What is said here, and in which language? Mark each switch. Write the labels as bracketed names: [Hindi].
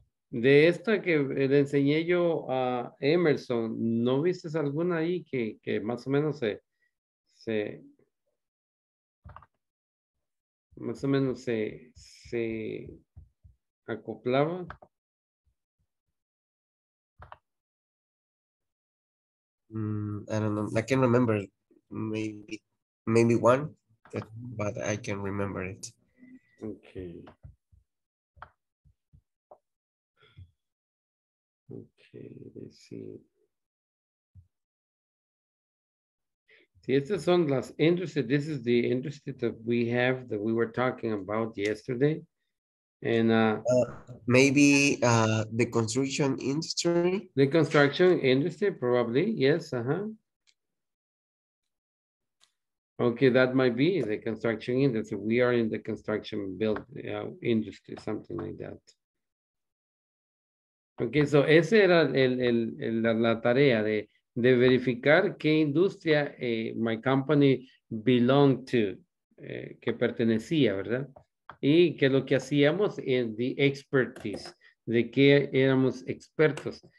[Spanish] De esta que le enseñé yo a Emerson, ¿no viste alguna ahí que más o menos se más o menos se acoplaba? [English] I don't know. I can remember maybe one, but I can remember it. Okay. Okay, let's see. [Spanish] Sí, estas son las industry. [English] This is the industry that we have that we were talking about yesterday. And maybe the construction industry. The construction industry, probably, yes. Uh-huh. Okay, that might be the construction industry. We are in the construction build industry, something like that. [Spanish] Okay, so ese era la tarea de verificar qué industria [English] my company belonged to, [Spanish] que pertenecía, ¿verdad? Y que lo que hacíamos es the expertise, de que éramos expertos.